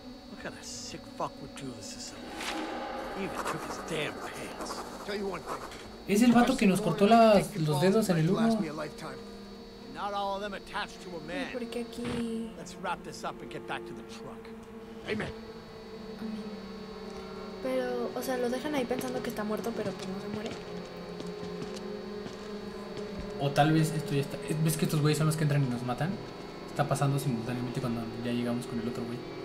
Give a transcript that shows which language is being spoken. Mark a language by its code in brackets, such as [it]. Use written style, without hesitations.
[en] What kind of sick fuck would do this to someone? He even took his damn pants. Tell you one thing. [es] Es el vato que nos cortó los dedos en el uno. [en] Not all of them attached to a man. [es] ¿Por qué aquí? [en] Let's wrap this up and get back to the truck. Amen. [es] Pero, o sea, lo dejan ahí pensando que está muerto, pero pues no se muere. O tal vez esto ya está... ¿Ves que estos güeyes son los que entran y nos matan? Está pasando simultáneamente cuando ya llegamos con el otro güey.